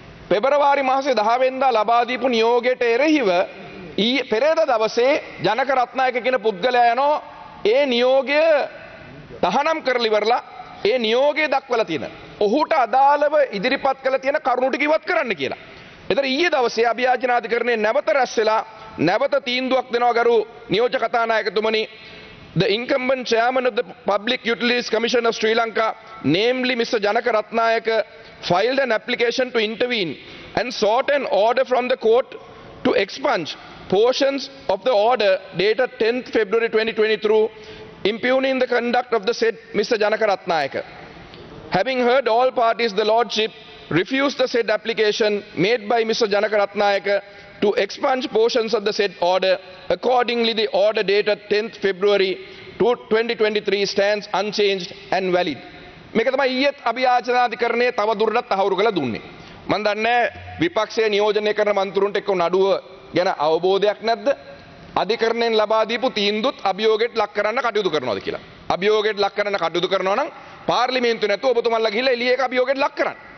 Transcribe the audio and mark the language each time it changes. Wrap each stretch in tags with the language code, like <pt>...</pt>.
<si>පෙබරවාරි මාසේ 10 වෙනිදා ලබා දීපු නියෝගයට එරෙහිව ඊ පෙරේද දවසේ ජනක රත්නායක කියන පුද්ගලයා යනෝ ඒ නියෝගය තහනම් කරලා ඉවරලා ඒ නියෝගය දක්වලා තියෙන ඔහුට අදාළව ඉදිරිපත් කළ තියෙන කරුණු ටික ඉවත් කරන්න කියලා. එතන ඊයේ දවසේ අභියාචනා අධිකරණයේ නැවත රැස් වෙලා නැවත තීන්දුවක් දෙනවා ගරු නියෝජ්‍ය කතානායකතුමනි.</si> <en>The incumbent chairman of the Public Utilities Commission of Sri Lanka, namely Mr. Janaka Ratnayake, filed an application to intervene and sought an order from the court to expunge portions of the order dated 10th February 2023, impugning the conduct of the said Mr. Janaka Ratnayake. Having heard all parties, the Lordship refused the said application made by Mr. Janaka Ratnayake to expunge portions of the said order. Accordingly, the order dated 10th February 2023 stands unchanged and valid.</en> <si>මේක තමයි ඊයේ අභියාචනා අධිකරණයේ තව දුරටත් තහවුරු කළ දුන්නේ. මම දන්නේ විපක්ෂයේ නියෝජනය කරන මන්ත්‍රීන්ට එක්ක නඩුව ගැන අවබෝධයක් නැද්ද? අධිකරණයෙන් ලබා දීපු තීන්දුවත් අභියෝගයට ලක් කරන්න කටයුතු කරනවාද කියලා. අභියෝගයට ලක් කරන්න කටයුතු කරනවා නම් පාර්ලිමේන්තුව නැතුව ඔබතුමන්ලා ගිහිල්ලා එළියේ ඒක අභියෝගයට ලක් කරන්න.</si>